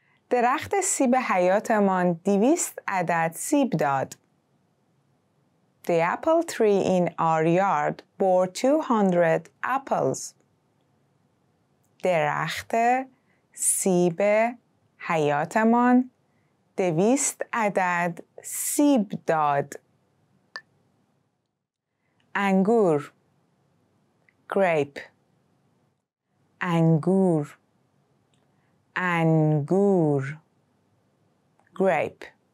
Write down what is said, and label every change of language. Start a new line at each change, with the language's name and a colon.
Persian: درخت سیب حیاتمان 200 عدد سیب داد.
English: The apple tree in our yard bore 200 apples.
Persian: درخت سیب حیاتمان 200 عدد سیب داد. انگور,
English: grape.
Persian: انگور, انگور, grape.